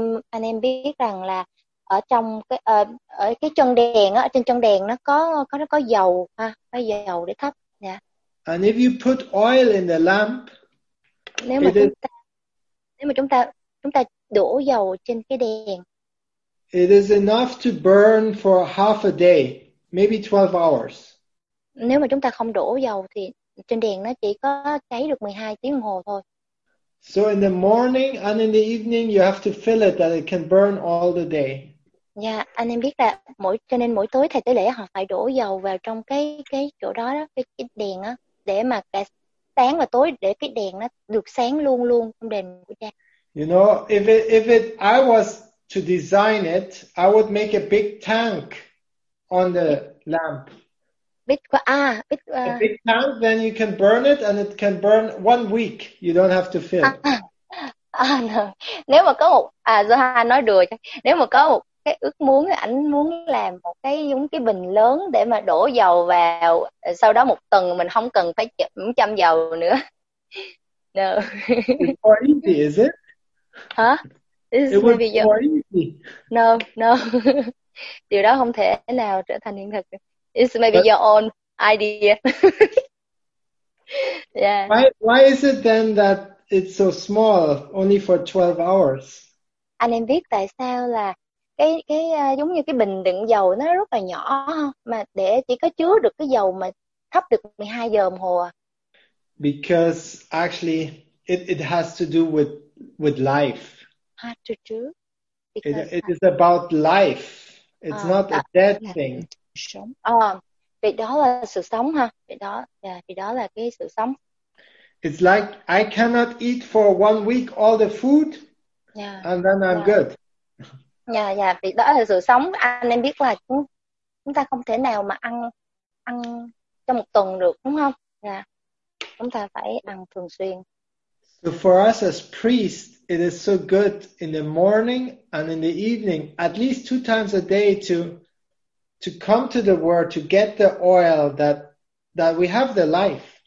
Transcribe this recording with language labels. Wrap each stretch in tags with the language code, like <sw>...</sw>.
<vi>Anh em biết rằng là ở trong cái ở cái chân đèn á, trên chân đèn nó có dầu ha, có dầu để thắp.</vi> <en>And if you put oil in the lamp,</en> <vi>nếu mà chúng ta đổ dầu trên cái đèn,</vi> <en>it is enough to burn for half a day, maybe 12 hours.</en> <vi>Nếu mà chúng ta không đổ dầu thì trên đèn nó chỉ có cháy được 12 tiếng đồng hồ thôi.</vi> <en>So in the morning and in the evening you have to fill it that it can burn all the day.</en> <vi>Yeah, anh em biết là cho nên mỗi tối thầy tế lễ họ phải đổ dầu vào trong cái chỗ đó cái đèn á để mà cả sáng và tối để cái đèn nó được sáng luôn luôn trong đèn của cha.</vi> <en>You know, if I was to design it, I would make a big tank on the lamp. A big tank, then you can burn it, and it can burn 1 week. You don't have to fill.</en> <vi>Nếu mà có một Zoha nói đùa, nếu mà có một cái ước muốn, ảnh muốn làm một cái giống cái bình lớn để mà đổ dầu vào, sau đó một tuần mình không cần phải chăm dầu nữa.</vi> <en>No. It's more easy, is it? Huh? No.</en> <vi>Điều đó không thể nào trở thành hiện thực.</vi> <en>It's maybe your own idea. Why is it then that it's so small, only for 12 hours?</en> <vi>Anh em biết tại sao là cái giống như cái bình đựng dầu nó rất là nhỏ mà để chỉ có chứa được cái dầu mà thắp được 12 giờ đồng hồ à?</vi> <en>Because actually it has to do with life. It is about life. It's not a dead thing.</en> <vi>Sống. Vì đó là sự sống ha. Vì đó là cái sự sống.</vi> <en>It's like I cannot eat for 1 week all the food, and then I'm good.</en> <vi>Vì đó là sự sống. Anh em biết là chúng ta không thể nào mà ăn trong một tuần được đúng không? Chúng ta phải ăn thường xuyên.</vi> <en>So for us as priests, it is so good in the morning and in the evening, at least 2 times a day to come to the Word, to get the oil that we have the life.</en>